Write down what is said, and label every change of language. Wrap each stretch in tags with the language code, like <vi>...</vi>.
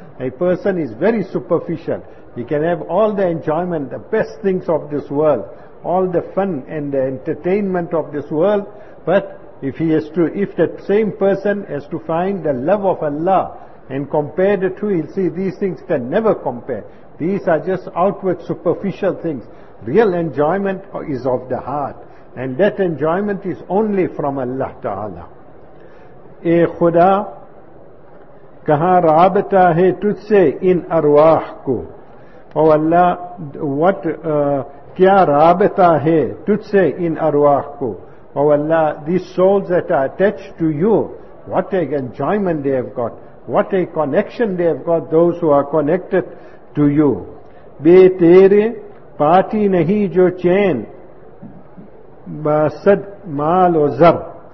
<en>A person is very superficial. He can have all the enjoyment, the best things of this world, all the fun and the entertainment of this world, but if that same person has to find the love of Allah and compare the two, he'll see these things can never compare. These are just outward superficial things. Real enjoyment is of the heart, and that enjoyment is only from Allah Ta'ala.</en> <ur>اے خدا کہاں رابطہ ہے تجھ سے ان ارواح کو.</ur> <en>Oh Allah, what</en> <ur>کیا رابطہ ہے تجھ سے ان ارواح کو.</ur> <en>Oh Allah, these souls that are attached to you, what a enjoyment they have got, what a connection they have got, those who are connected to you.</en> <ur>بے تیرے پاتی نہیں جو چین بسد مال و زر.</ur>